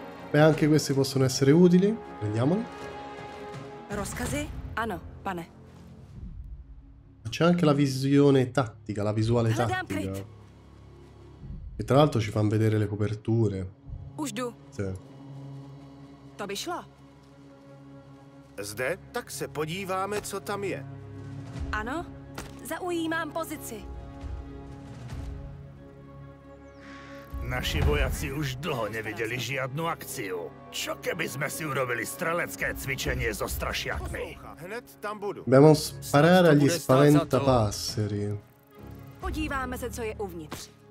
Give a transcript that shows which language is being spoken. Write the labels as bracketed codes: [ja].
[it] Beh, anche questi possono essere utili. Prendiamoli. [cs] Rozkazy? Ano, pane. [it] C'è anche la visione tattica, la visuale tattica. E tra l'altro ci fanno vedere le coperture. [cs] Už jdu. [it] Sì. [cs] To by šlo. Zde, tak se podíváme, co tam je. Ano, zaujímám pozici. [sk] Naši vojaci už dlho neviděli žiadnu akciu. Čo keby sme si urobili strelecké cvičenie so strašiakmi? [cs] Hned tam budu. [it] Dobbiamo sparare agli spaventapasseri. [cs] Podíváme se, co je uvnitř.